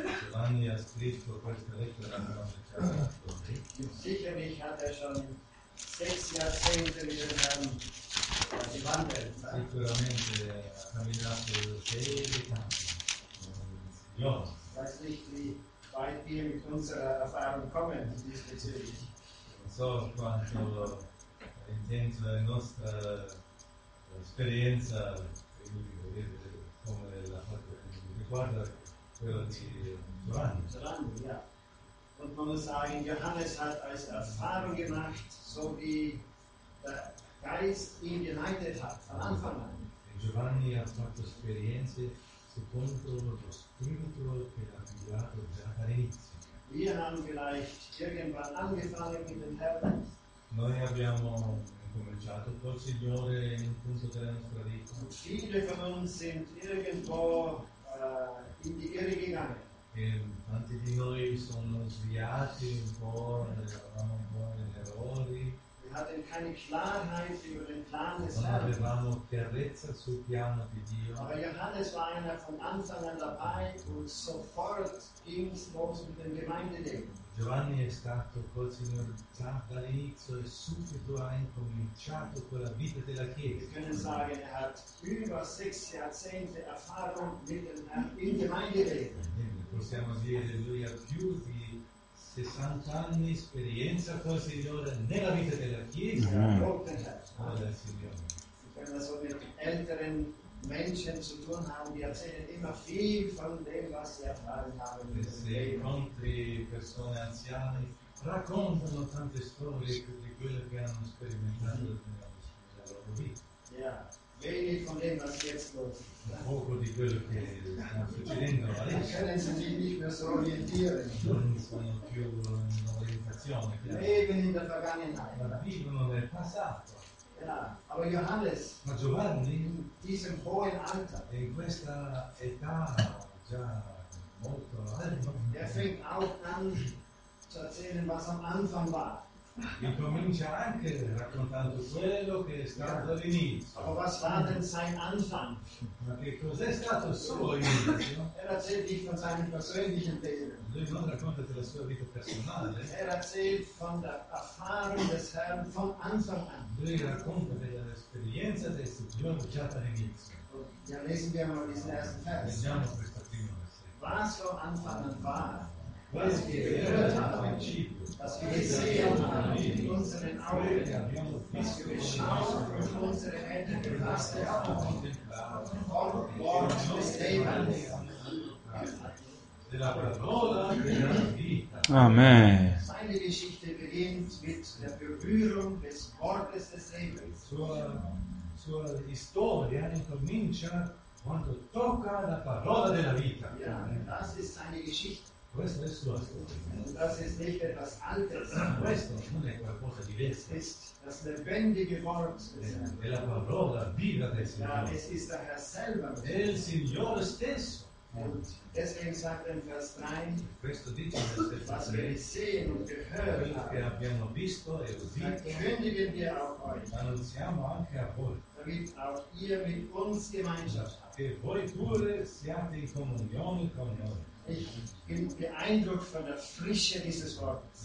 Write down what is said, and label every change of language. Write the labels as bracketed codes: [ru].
[it] Giovanni ha scritto questa lettera. [de] Sicherlich hat er schon 6 Jahrzehnte mit dem Herrn gewandelt. [it] Sicuramente ha camminato 6 anni. [de] Weiß nicht, wie weit wir mit unserer Erfahrung kommen diesbezüglich. [it] Non so quanto intenso la nostra esperienza, quindi vedete come la parte riguarda quella di Giovanni. [de] Giovanni, ja. Und man muss sagen, Johannes hat als Erfahrung gemacht, so wie der Geist ihn geleitet hat, von Anfang an. [it] E Giovanni ha fatto esperienze secondo lo spirito che ha guidato già dall'inizio. [de] Wir haben vielleicht irgendwann angefangen mit dem Herrn. [it] Noi abbiamo cominciato col Signore in un punto della nostra vita. [de] Und viele von uns sind irgendwo in die Irre gegangen. [it] E tanti di noi sono sviati un po', eravamo un po' negli errori. [de] Wir hatten keine Klarheit über den Plan des [it] Herrn. Non avevamo chiarezza sul piano di Dio. [de] Aber Johannes war einer von Anfang an dabei und sofort ging es los mit dem Gemeindeleben. [it] Giovanni è stato col Signore già dall'inizio e subito ha incominciato con la vita della Chiesa. [de] Wir können sagen, er hat über 6 Jahrzehnte Erfahrung mit dem Herrn in Gemeindeleben. [it] Possiamo dire, lui ha più di 60 anni esperienza col Signore nella vita della Chiesa. Con il Signore. [de] Wir können das auch mit älteren Menschen zu tun haben, die erzählen immer viel von dem, was sie erfahren haben. [it] Se incontri persone anziane, raccontano tante storie di quello che hanno sperimentato nella loro vita. [de] Ja, wenig von dem, was jetzt los ist. [it] Un poco di quello che sta succedendo adesso. [de] Können sie sich nicht mehr so orientieren. [it] Non sono più in orientazione. [de] Leben in der Vergangenheit. [it] Vivono nel passato. [de] Ja, aber Johannes, [it] ma Giovanni, [de] in diesem hohen Alter, [it] in questa età già molto alta, [de] er fängt auch an zu erzählen, was am Anfang war. [it] E comincia anche raccontando quello che è stato all'inizio. [de] Aber was war denn sein Anfang? [it] Ma che cos'è stato il suo inizio? [de] Er erzählt nicht von seinem persönlichen Leben. [it] Lui non racconta della sua vita personale. [de] Er erzählt von der Erfahrung des Herrn von Anfang an. [it] Lui racconta dell'esperienza del Signore già dall'inizio. [de] Ja, lesen wir mal diesen ersten Vers. [it] Leggiamo questo primo versetto. [de] Was von Anfang an war? Was wir gehört haben, was wir gesehen haben mit unseren Augen, was wir geschaut und unsere Hände gefasst haben, vom Wort des Lebens. Amen. Seine Geschichte beginnt mit der Berührung des Wortes des Lebens. [it] Sua storia incomincia quando tocca la parola della vita. [de] Das ist seine Geschichte. [it] Questo è sua storia. [de] Das ist nicht etwas anderes. [it] Questo non è qualcosa di diverso. [de] Ist das lebendige Wort. [it] È la parola viva del Signore. [de] Es ist der Herr selber. [it] È il Signore stesso. [de] Und deswegen sagt in Vers 3, [it] questo dice in Vers 3, [de] was wir sehen und gehört haben, [it] abbiamo visto e udito, [de] verkündigen wir auch euch, [it] annunziamo anche a voi, [de] damit auch ihr mit uns Gemeinschaft habt. [it] Che voi pure siate in comunione con noi. [de] Ich bin beeindruckt von der Frische dieses Wortes.